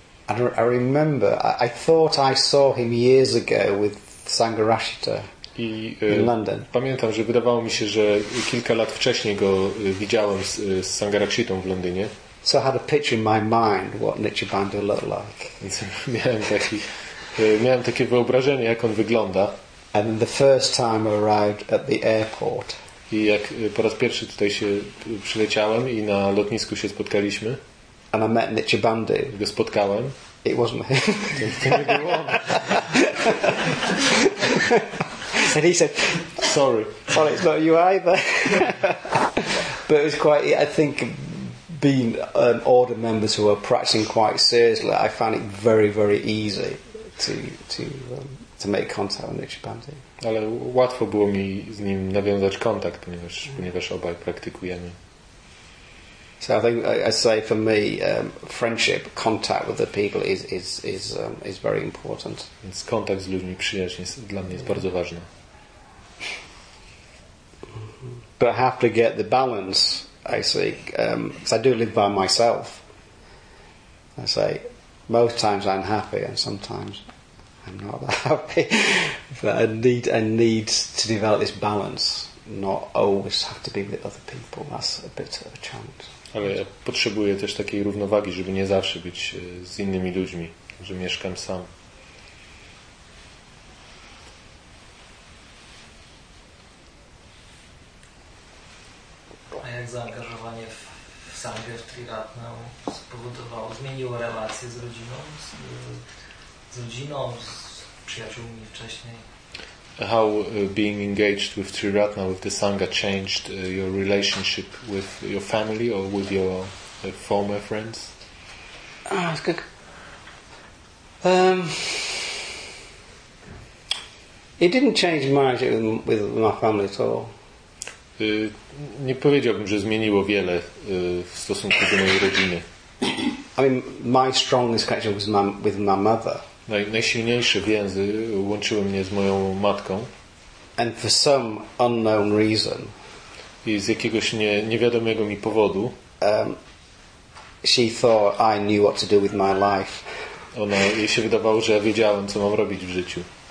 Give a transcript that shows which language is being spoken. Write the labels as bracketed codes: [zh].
[en] I remember, I thought I saw him years ago with Sangharakshita. In London. [pl] Pamiętam, że wydawało mi się, że kilka lat wcześniej go widziałem z Sangharakshitą w Londynie. [en] So I had a picture in my mind what Nityabandhu looked like. [pl] miałem takie wyobrażenie, jak on wygląda. [en] And then the first time I arrived at the airport. [pl] I jak po raz pierwszy tutaj się przyleciałem i na lotnisku się spotkaliśmy. [en] And I met Nityabandhu. [pl] Go spotkałem. [en] It wasn't him. [pl] To nie był on. [en] And he said, Sorry, it's not you either. But it was quite, I think, being order members who are practicing quite seriously, I found it very, very easy to make contact with Nityabandhu. [pl] Ale łatwo było mi z nim nawiązać kontakt, ponieważ obaj praktykujemy. [en] So I think, I say for me, friendship, contact with the people is very important. [pl] Więc kontakt z ludźmi, przyjaźń jest dla mnie jest bardzo ważna. [en] But I have to get the balance, I say, because I do live by myself. I say, most times I'm happy and sometimes I'm not that happy. But I need to develop this balance, not always have to be with other people. That's a bit of a challenge. [pl] Ale ja potrzebuję też takiej równowagi, żeby nie zawsze być z innymi ludźmi, że mieszkam sam. Zaangażowanie w Sanghę, w Triratnę spowodowało, zmieniło relacje z rodziną, z przyjaciółmi wcześniej. [en] How being engaged with Triratna, with the Sangha, changed your relationship with your family or with your former friends? Ah, that's good. It didn't change my relationship with my family at all. [pl] Nie powiedziałbym, że zmieniło wiele w stosunku do mojej rodziny. [en] I mean, my strongest connection was with my mother. [pl] Najsilniejsze więzy łączyły mnie z moją matką. [en] And for some unknown reason. [pl] I z jakiegoś niewiadomego mi powodu. [en] She thought I knew what to do with my life. [pl] Ona jej się wydawało, że ja wiedziałem, co mam robić w życiu.